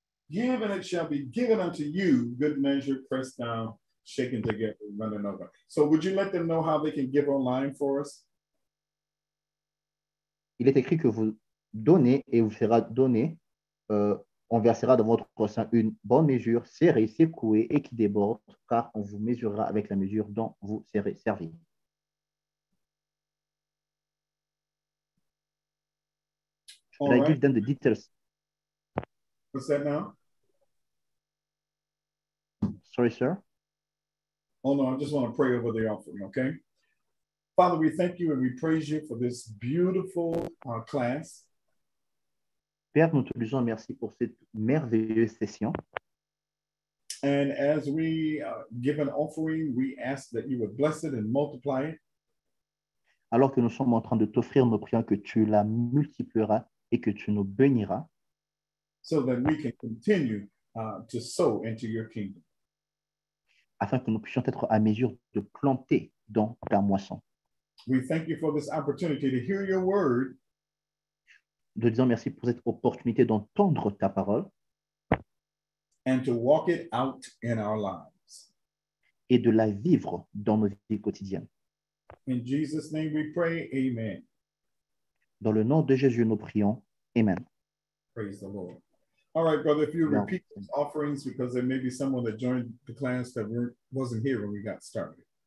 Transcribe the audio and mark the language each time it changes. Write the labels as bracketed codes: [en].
[en] Give and it shall be given unto you, good measure, pressed down, shaken together, running over. So would you let them know how they can give online for us? [fr] Il est écrit que vous donnez et vous sera donné, on versera dans votre sein une bonne mesure, serrée, secouée et qui déborde, car on vous mesurera avec la mesure dont vous serez servi. [en] Can I give them the details? What's that now? Sorry, sir. Oh, no, I just want to pray over the offering, okay? Father, we thank you and we praise you for this beautiful class. [fr] Père, nous te disons merci pour cette merveilleuse session. [en] And as we give an offering, we ask that you would bless it and multiply it. [fr] Alors que nous sommes en train de t'offrir, nous prions que tu la multiplieras et que tu nous béniras. [en] So that we can continue to sow into your kingdom. [fr] Afin que nous puissions être à mesure de planter dans ta moisson. [en] We thank you for this opportunity to hear your word. [fr] De disant merci pour cette opportunité d'entendre ta parole. [en] And to walk it out in our lives. [fr] Et de la vivre dans nos vies quotidiennes. [en] In Jesus' name we pray, amen. [fr] Dans le nom de Jésus, nous prions, amen. [en] Praise the Lord. All right, brother, if you repeat those offerings, because there may be someone that joined the class that wasn't here when we got started.